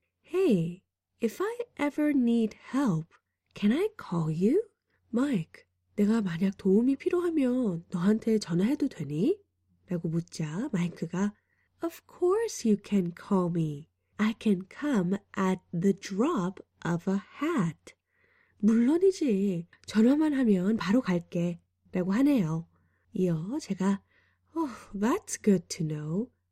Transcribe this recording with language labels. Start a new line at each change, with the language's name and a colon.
English: Hey, if I ever need help, can I call you?
Korean: Mike, 내가 만약 도움이 필요하면 너한테 전화해도 되니? 라고 묻자 마이크가
English: Of course you can call me. I can come at the drop of a hat.
Korean: 물론이지. 전화만 하면 바로 갈게. 라고 하네요. 이어 제가
English: Oh, that's good to know.